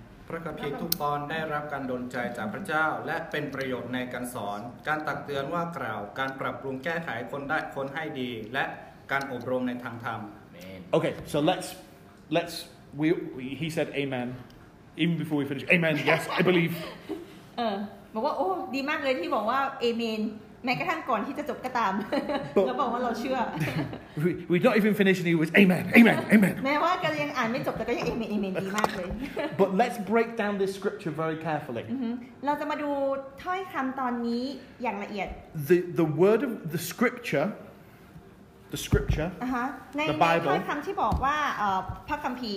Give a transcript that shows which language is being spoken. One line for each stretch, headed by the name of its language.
Thai: พระคัมภีร์ทุกตอนได้รับการดลใจจากพระเจ้าและเป็นประโยชน์ในการสอนการตักเตือนว่ากล่าวการปรับปรุงแก้ไขคนได้คนให้ดีและการอบรมในทางธรรม
English: Okay, so let's we he said amen even before we finish amen yes I believe
Thai: บอกว่าโอ้ดีมากเลยที่บอกว่า amenแม้กระทั่งก่อนที่จะจบก็ตามแล้วบอกว่าเราเชื่อ
English: We don't even finish and he was amen amen amen
Thai: แม้ว่าการยังอ่านไม่จบแต่ก็ยัง amen amen ดีมากเลย
English: But let's break down this scripture very carefully
Thai: เราจะมาดูถ้อยคำตอนนี้อย่างละเอียด
English: the word of the scripture the Bible
Thai: ในถ้อยคำที่บอกว่าพระคัมภีร